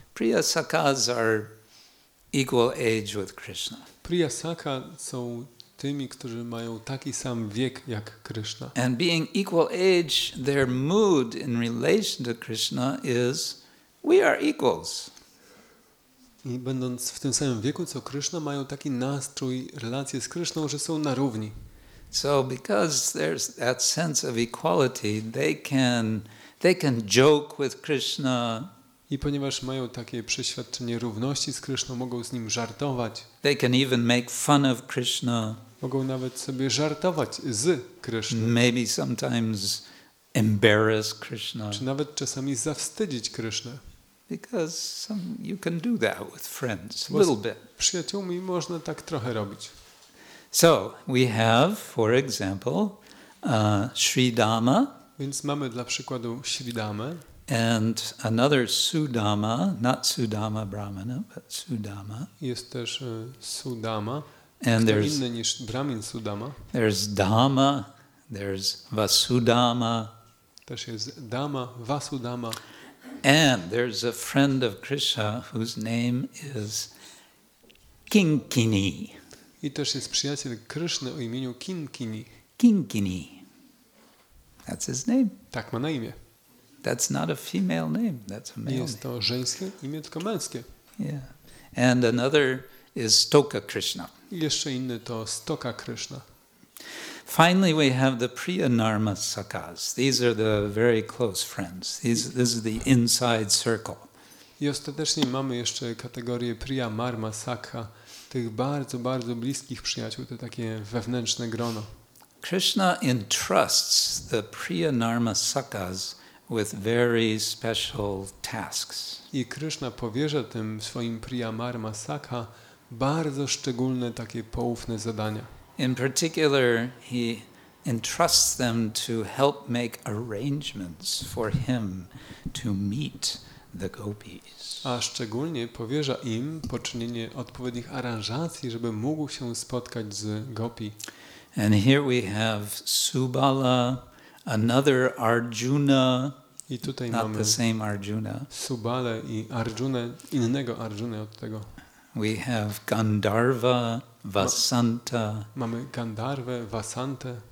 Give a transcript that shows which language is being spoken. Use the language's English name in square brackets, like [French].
[English] Priya Sakhas are equal age with Krishna. [Polish] Priya Sakha są tymi, którzy mają taki sam wiek jak Krishna. [English] And being equal age, their mood in relation to Krishna is we are equals. [Polish] I będąc w tym samym wieku co Krishna, mają taki nastrój, relacje z Krishną, że są na równi. [English] So because there's that sense of equality, they can joke with Krishna. [Polish] I ponieważ mają takie przeświadczenie równości z Krishną, mogą z nim żartować. [English] They can even make fun of Krishna. [Polish] Mogą nawet sobie żartować z Krishną. [English] Maybe sometimes embarrass Krishna. [Polish] Czy nawet czasami zawstydzić Krishnę. [English] Because some you can do that with friends a little bit. [Polish] Przyjaciółmi można tak trochę robić. [English] So we have, for example, Sridhama. [Polish] Więc mamy dla przykładu Sridhamę. [English] And another Sudama, not Sudama Brahmana, but Sudama. [Polish] Jest też Sudama. [English] And there's [Polish] inny niż Brahmin Sudama. [English] There's Dhamma, there's Vasudama. [Polish] Też jest Dhamma, Vasudama. [English] And there's a friend of Krishna whose name is Kinkini. [Polish] I też jest przyjaciel Krishna o imieniu Kinkini. [English] Kinkini. That's his name. [Polish] Tak ma na imię. [English] That's not a female name. That's a male. [Polish] Nie jest to żeńskie imię, tylko męskie. [English] Yeah. And another is Stoka Krishna. [Polish] I jeszcze inny to Stoka Krishna. [English] Finally, we have the Priyanarma Sakhas. These are the very close friends. This is the inside circle. [Polish] I ostatecznie mamy jeszcze kategorię Priyanarma Sakha, tych bardzo, bardzo bliskich przyjaciół, to takie wewnętrzne grono. [English] Krishna entrusts the Priyanarma Sakhas with very special tasks. [Polish] I Krishna powierza tym swoim Priyanarma Sakha bardzo szczególne takie poufne zadania. [English] In particular, he entrusts them to help make arrangements for him to meet the gopis. [Polish] A szczególnie powierza im poczynienie odpowiednich aranżacji, żeby mógł się spotkać z gopi. [English] And here we have Subala, another Arjuna. [Polish] I tutaj [English] not [Polish] mamy [English] the same Arjuna. [Polish] Subale i Arjunę, innego Arjuna od tego. [English] We have Gandharva, Vasanta. [Polish] Mamy Gandharvę, Vasantę.